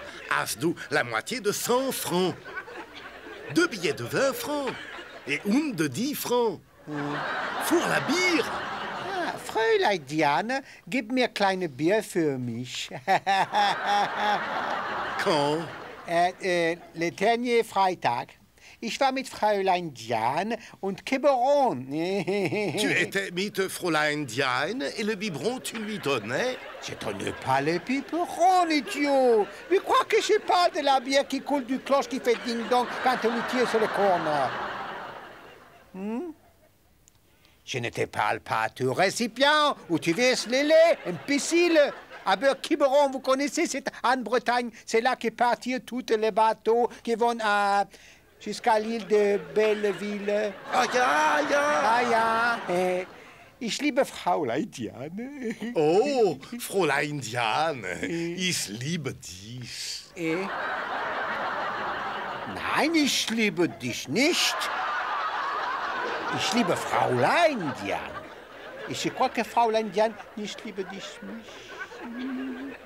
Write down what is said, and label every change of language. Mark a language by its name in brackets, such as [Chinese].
[German] Hast du [French] la moitié de 100 francs? 2 billets de 20 francs et une de 10 francs. Pour la bière. [German] Ah, Fräulein Diane, gib mir kleine Bier für mich. [French] Quand? Le dernier Freitag. [German] Ich war mit Fräulein Diane und Quiberon. [French] Tu étais [German] mit [French] Fräulein Diane et le biberon tu lui donnais? Je donne pas le biberon, idiot. Mais quoi que je parle de la bière qui coule du cloche qui fait ding-dong quand on lui tire sur le corner. Hmm? Je ne te parle pas du récipient où tu verses le lait, imbécile. Ah ben, Quiberon, vous connaissez, c'est en Bretagne. C'est là que partent tous les bateaux qui vont à... jusqu'à l'île de Belleville. [German] Ah ja, ja. Ah ja. Ich liebe Fräulein Diane. Oh, Fräulein Diane, ich liebe dich. Nein, ich liebe dich nicht. Ich liebe Fräulein Diane. Ich glaube, Fräulein Diane, ich liebe dich nicht.